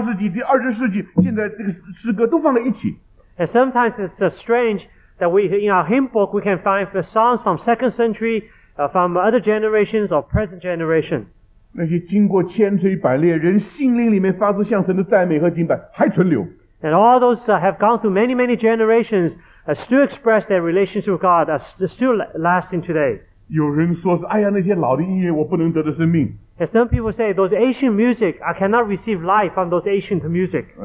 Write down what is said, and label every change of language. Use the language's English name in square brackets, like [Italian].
[Chinese] 我们有时候稀奇，我们的乐谱里面从第二世纪一直到第十八世纪、第二十世纪，现在这个诗歌都放在一起。 [English] And sometimes it's strange that we in our hymn book we can find the songs from second century, from other generations or present generation. [Chinese] 那些经过千锤百炼，人心灵里面发出向神的赞美和敬拜，还存留。 [English] And all those have gone through many generations, still express their relationship with God, still lasting today. [Chinese] 有人说是，哎呀，那些老的音乐，我不能得到生命。 [English] And some people say those ancient music, I cannot receive life from those ancient music.